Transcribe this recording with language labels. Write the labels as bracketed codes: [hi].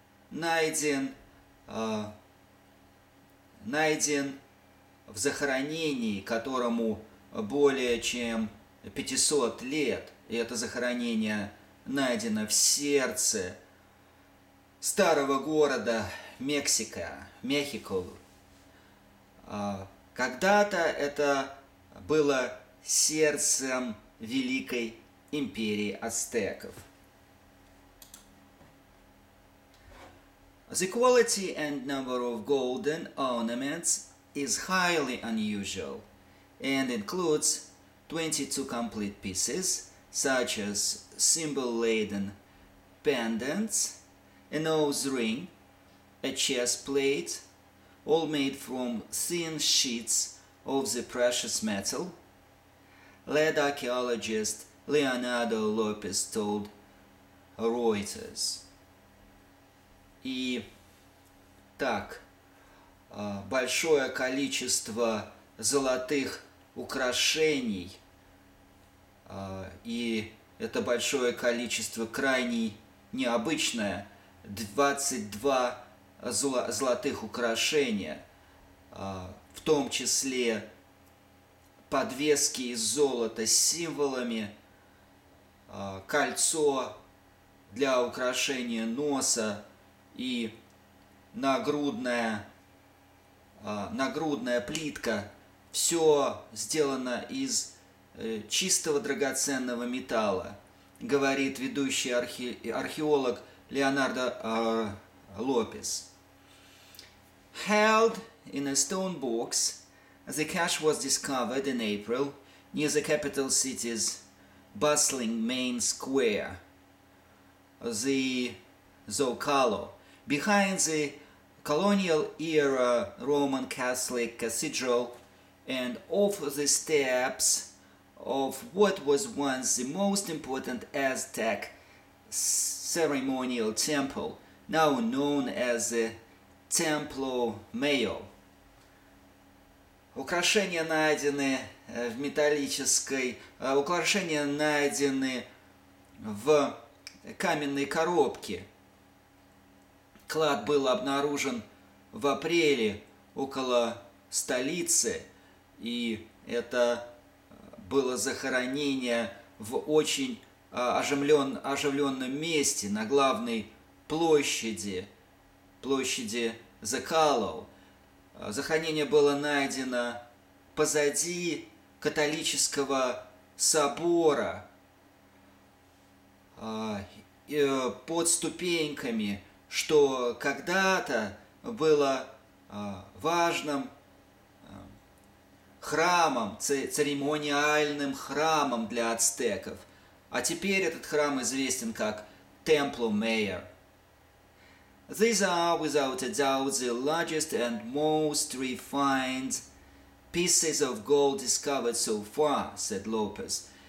[ru] найден в захоронении, которому более чем 500 лет, и это захоронение найдено в сердце старого города Мексика, Мехико. Когда-то это было сердцем великой империи ацтеков. [en] The quality and number of golden ornaments is highly unusual and includes 22 complete pieces, such as symbol-laden pendants, a nose ring, a chest plate, all made from thin sheets of the precious metal, led archaeologist Leonardo Lopez told Reuters. [ru] И так, большое количество золотых украшений, и это большое количество крайне необычное, 22 золотых украшения, в том числе подвески из золота с символами, кольцо для украшения носа и нагрудная плитка, все сделано из чистого драгоценного металла, говорит ведущий археолог Леонардо Лопес. [en] Held in a stone box, the cache was discovered in April near the capital city's bustling main square, the Zocalo. Behind the colonial era Roman Catholic cathedral and off the steps of what was once the most important Aztec ceremonial temple, now known as the Templo Mayor. [ru] Украшения найдены в металлической... Украшения найдены в каменной коробке. Клад был обнаружен в апреле около столицы, и это было захоронение в очень оживленном месте, на главной площади Zocalo. Захоронение было найдено позади католического собора, под ступеньками, что когда-то было важным храмом, церемониальным храмом для ацтеков. А теперь этот храм известен как Templo Mayor. [en] These are, without a doubt, the largest and most refined pieces of gold discovered so far, said Lopez.